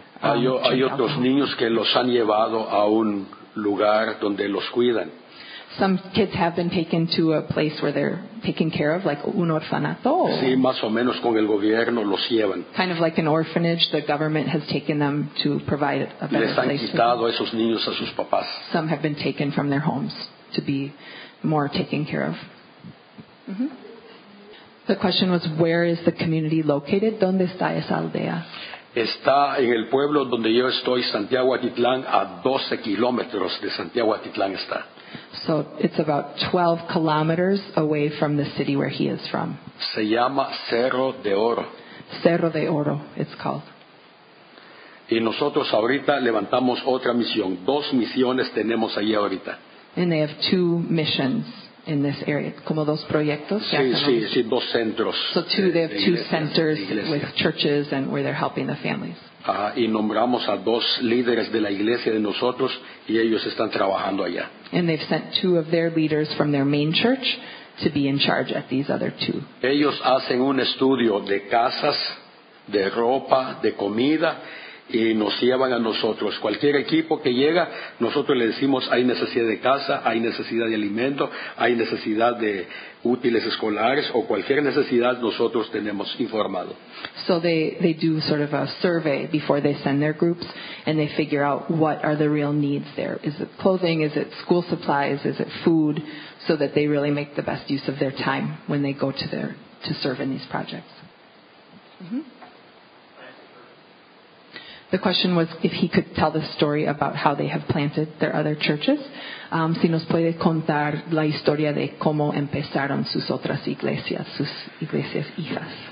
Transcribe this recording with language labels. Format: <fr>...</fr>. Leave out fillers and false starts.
<es>Hay otros niños que los han llevado a un lugar donde los cuidan.</es> <en>Some kids have been taken to a place where they're taken care of, like un orfanato.</en> <es>Sí, más o menos con el gobierno los llevan.</es> <en>Kind of like an orphanage, the government has taken them to provide a better place.</en> <es>Les han</es> <en>place</en> <es>quitado esos niños a sus papás.</es> <en>Some have been taken from their homes to be more taken care of. The question was, where is the community located?</en> <es>¿Dónde está esa aldea? Está en el pueblo donde yo estoy, Santiago Atitlán, a 12 kilómetros de Santiago Atitlán está.</es> <en>So it's about 12 kilometers away from the city where he is from.</en> <es>Se llama Cerro de Oro.</es> <en>Cerro de Oro, it's called.</en> <es>Y nosotros ahorita levantamos otra misión. Dos misiones tenemos ahí ahorita.</es> <en>And they have two missions in this area.</en> <es>Como dos proyectos. Sí, dos centros.</es> <en>So two, they have two centers with churches and where they're helping the families.</en> <es>Y nombramos a dos líderes de la iglesia de nosotros y ellos están trabajando allá. And they've sent two of their leaders from their main church to be in charge at these other two. Ellos hacen un estudio de casas, de ropa, de comida y nos llevan a nosotros. Cualquier equipo que llega, nosotros le decimos hay necesidad de casa, hay necesidad de alimento, hay necesidad de útiles escolares o cualquier necesidad nosotros tenemos informado.</es> <en>So they do sort of a survey before they send their groups and they figure out what are the real needs there. Is it clothing? Is it school supplies? Is it food? So that they really make the best use of their time when they go to there to serve in these projects. The question was if he could tell the story about how they have planted their other churches.</en> <es>Si nos puede contar la historia de cómo empezaron sus otras iglesias, sus iglesias hijas.</es>